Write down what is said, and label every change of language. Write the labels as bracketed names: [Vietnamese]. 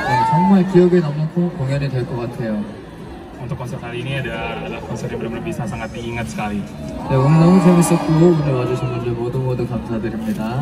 [Korean] 정말 기억에 남는 공연이 될 것 같아요. [Indonesian] Untuk konser kali ini adalah konser yang benar-benar bisa sangat diingat sekali. [Korean] Ya, 오늘 너무 재밌었고 오늘 와주신 분들 모두 모두 감사드립니다.